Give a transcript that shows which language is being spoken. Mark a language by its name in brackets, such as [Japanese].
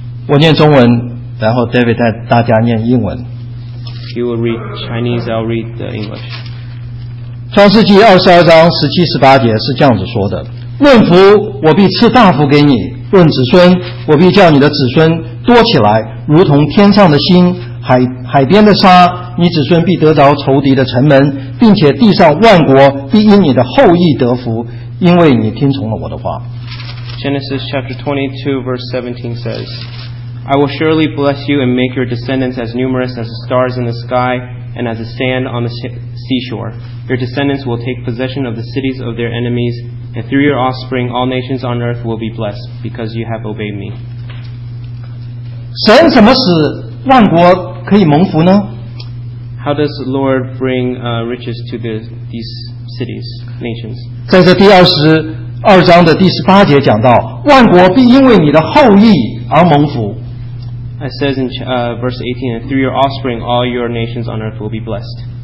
[English] I'll read Chinese, then David will read English. You will read Chinese, I'll read the English. [Chinese] 创世纪22章17、18节是这样子说的，论福我必赐大福给你，论子孙我必叫你的子孙多起来，如同天上的星，海边的沙，你子孙必得着仇敌的城门，并且地上万国必因你的后裔得福，因为你听从了我的话。 [English] Genesis chapter 22 verse 17 says,I will surely bless you and make your descendants as numerous as the stars in the sky and as the sand on the seashore. Your descendants will take possession of the cities of their enemies, and through your offspring all nations on earth will be blessed because you have obeyed me. [Chinese] 神怎么使万国可以蒙福呢？ [English] How does the Lord bring riches to these cities, nations? [Chinese] 在这第22章的第18节讲到，万国必因为你的后裔而蒙福。 [English] It says in verse 18, and through your offspring, all your nations on earth will be blessed.